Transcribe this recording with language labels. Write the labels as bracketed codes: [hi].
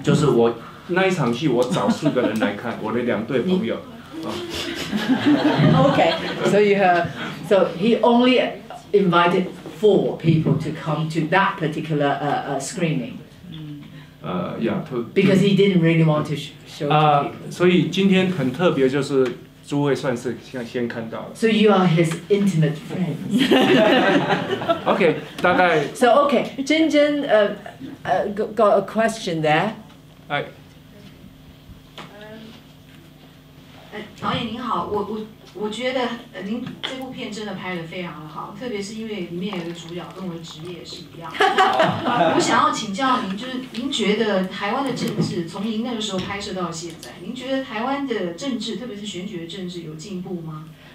[zh] 就是我那一场戏我找四个人来看，我的两对朋友。 [en] Okay, so you have, so he only invited four people to come to that particular screening. Yeah. Because he didn't really want to show to people. [zh] 所以今天很特别就是诸位算是先看到了。 [en] So you are his intimate friends. [zh] Okay, 大概。 [en] So okay, Jen Jen, got a question there. Hi. [zh] 导演您好，我觉得您这部片真的拍得非常的好，特别是因为里面有一个主角跟我的职业也是一样的。我想要请教您，就是您觉得台湾的政治从您那个时候拍摄到现在，您觉得台湾的政治，特别是选举的政治有进步吗？